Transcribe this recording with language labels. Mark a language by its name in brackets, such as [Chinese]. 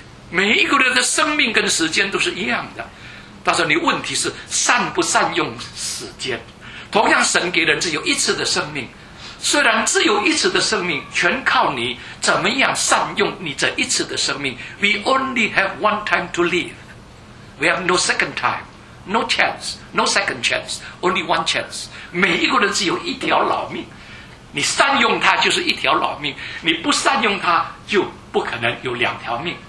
[Chinese] 每一个人的生命跟时间都是一样的，但是你问题是善不善用时间。同样神给人只有一次的生命，虽然只有一次的生命，全靠你怎么样善用你这一次的生命。 [English] We only have one time to live. We have no second time, no chance, no second chance, only one chance. [Chinese] 每一个人只有一条老命，你善用它就是一条老命，你不善用它就不可能有两条命。